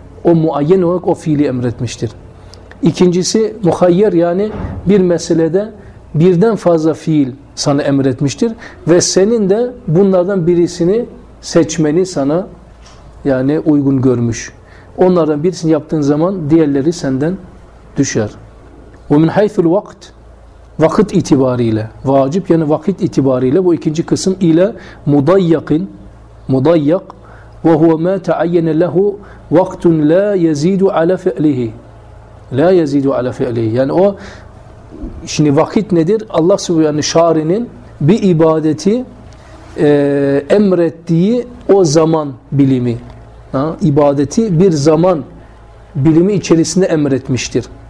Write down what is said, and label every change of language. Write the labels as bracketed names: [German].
[Turkish] O muayyen olarak o fiili emretmiştir. İkincisi, muhayyer, yani bir meselede birden fazla fiil sana emretmiştir ve senin de bunlardan birisini seçmeni sana yani uygun görmüş. Onlardan birisini yaptığın zaman diğerleri senden düşer. [Arabic] وَمِنْ حَيْثُ الْوَقْتِ. [Turkish] Vakit itibariyle, vacip yani vakit itibariyle, bu ikinci kısım ile [Arabic] مُضَيَّقٍ مُضَيَّقْ وَهُوَ مَا تَعَيَّنَ لَهُ وَقْتٌ لَا يَزِيدُ عَلَى فِعْلِهِ لَا يَزِيدُ عَلَى فِعْلِهِ. [Turkish] Yani o, şimdi vakit nedir? Allah subhanahu yani şarinin bir ibadeti emrettiği o zaman bilimi. Ha? İbadeti bir zaman bilimi içerisinde emretmiştir.